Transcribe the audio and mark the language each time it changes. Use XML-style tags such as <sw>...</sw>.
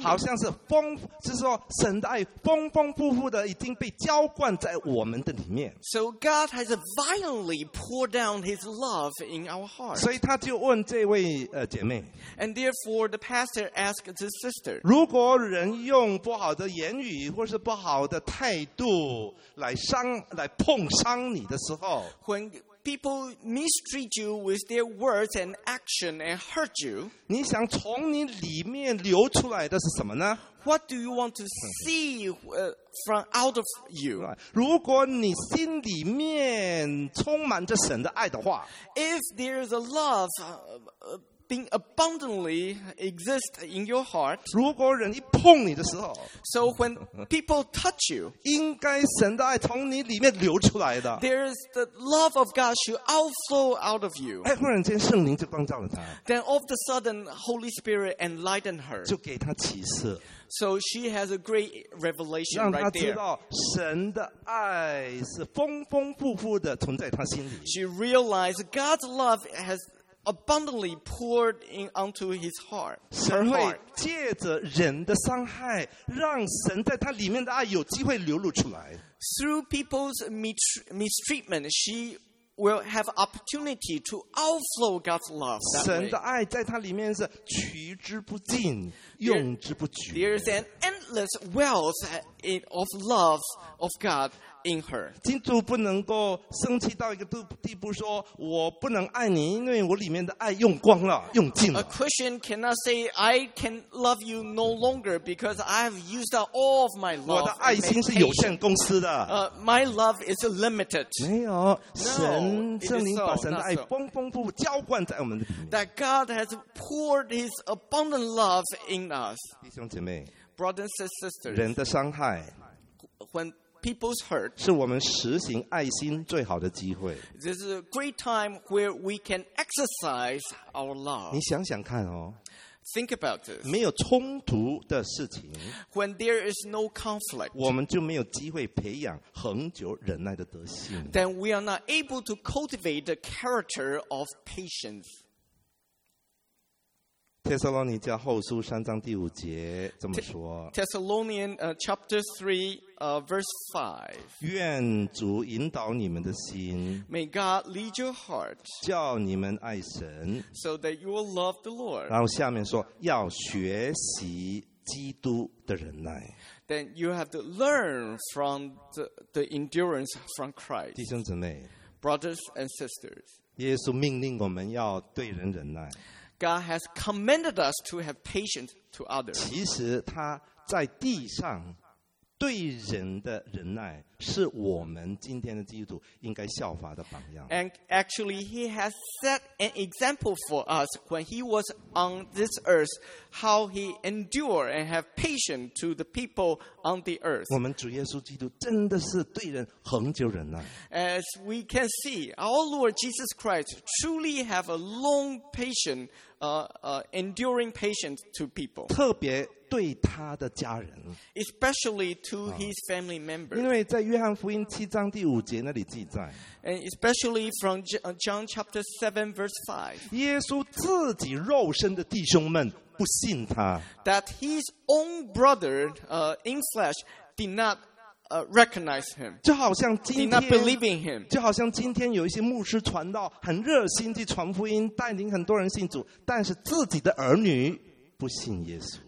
<zh>好像是风，是说神的爱风风富富的已经被浇灌在我们的里面。</zh> <en>So God has violently poured down His love in our heart.</en> <zh>所以他就问这位姐妹。</zh> <en>And therefore the pastor asked the sister.</en> <zh>如果人用不好的言语或是不好的态度来碰伤你的时候。</zh> <en>When people mistreat you with their words and action and hurt you.</en> <zh>你想从你里面流出来的是什么呢？</zh> <en>What do you want to see from out of you?</en> <zh>如果你心里面充满着神的爱的话，</zh> <en>If there is a love being abundantly exist in your heart.</en> <zh>如果人一碰你的时候，</zh> <en>So when people touch you,</en> <zh>应该神的爱从你里面流出来的。</zh> <en>There is the love of God should outflow out of you.</en> <zh>忽然间圣灵就光照了他。</zh> <en>Then all of the sudden, Holy Spirit enlightened her.</en> <zh>就给他启示。</zh> <en>So she has a great revelation right there.</en> <zh>让他知道神的爱是丰丰富富的存在他心里。</zh> <en>She realized God's love has abundantly poured in onto his heart.</en> <zh>神会借着人的伤害，让神在他里面的爱有机会流露出来。</zh> <en>Through people's mistreatment, she will have opportunity to outflow God's love.</en> <zh>神的爱在他里面是取之不尽，用之不绝。</zh> <en>There is an endless wealth of love of God. In her.</en> <zh>金主不能够生气到一个地步说我不能爱你因为我里面的爱用光了用尽了。</zh> <en>A Christian cannot say I can love you no longer because I have used up all of my love.</en> <zh>我的爱心是有限公司的。</zh> <en>My love is limited.</en> <zh>没有神圣灵、</zh> <en>no, so,</en> <zh>把神的爱丰丰富富浇灌在我们的里面。</zh> <en>That God has poured his abundant love in us.</en> <zh>弟兄姐妹</zh> <en>Brothers and sisters.</en> <zh>人的伤害</zh> <en>whenPeople's hurt</en> <zh>是我们实行爱心最好的机会。</zh> <en>This is a great time where we can exercise our love.</en> <zh>你想想看哦。</zh> <en>Think about this.</en> <zh>没有冲突的事情。</zh> <en>When there is no conflict.</en> <zh>我们就没有机会培养恒久忍耐的德性。</zh> <en>Then we are not able to cultivate the character of patience.</en> <zh>帖撒罗尼迦后书三章第五节这么说。</zh> <en>Thessalonians chapter 3. Verse 5.</en> <zh>愿主引导你们的心。</zh> <en>May God lead your heart.</en> <zh>叫你们爱神。</zh> <en>So that you will love the Lord.</en> <zh>然后下面说，要学习基督的忍耐。</zh> <en>Then you have to learn from the endurance from Christ.</en> <zh>弟兄姊妹。</zh> <en>Brothers and sisters.</en> <zh>耶稣命令我们要对人忍耐。</zh> <en>God has commanded us to have patience to others.</en> <zh>其实他在地上对人的忍耐是我们今天的基督徒应该效法的榜样。</zh> <en>And actually, he has set an example for us when he was on this earth, how he endured and have patience to the people on the earth.</en> <zh>我们主耶稣基督真的是对人恒久忍耐。</zh> <en>As we can see, our Lord Jesus Christ truly have a long patience, enduring patience to people.</en> <zh>特别对他的家人。</zh> <en>Especially to his family members.</en> <zh>因为在约翰福音七章第五节那里记载。</zh> <en>And especially from John chapter 7 verse 5.</en> <zh>耶稣自己肉身的弟兄们不信他。</zh> <en>That his own brother, in flesh did notrecognize him.</en> <zh>就好像今天</zh> <en>did not believe in him.</en> <zh>就好像今天有一些牧师传道很热心地传福音带领很多人信主但是自己的儿女不信耶稣。</zh>